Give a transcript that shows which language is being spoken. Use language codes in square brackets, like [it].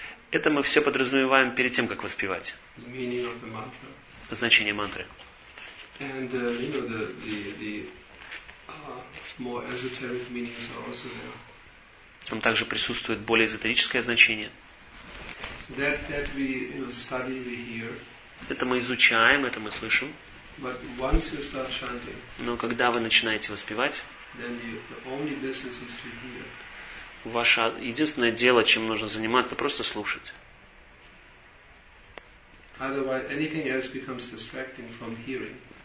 [ru] Это мы все подразумеваем перед тем, как воспевать. [en] The meaning of the mantra. [ru] Значение мантры. [en] And you know the more esoteric meanings are also there. [ru] Там также присутствует более эзотерическое значение. [en] So that we, you know, study, we hear. [ru] Это мы изучаем, это мы слышим. [en] But once you start chanting, [ru] но когда вы начинаете воспевать, [en] then the only business is to hear. [ru] Ваше единственное дело, чем нужно заниматься, это просто слушать. [en] Otherwise, anything else becomes distracting from hearing.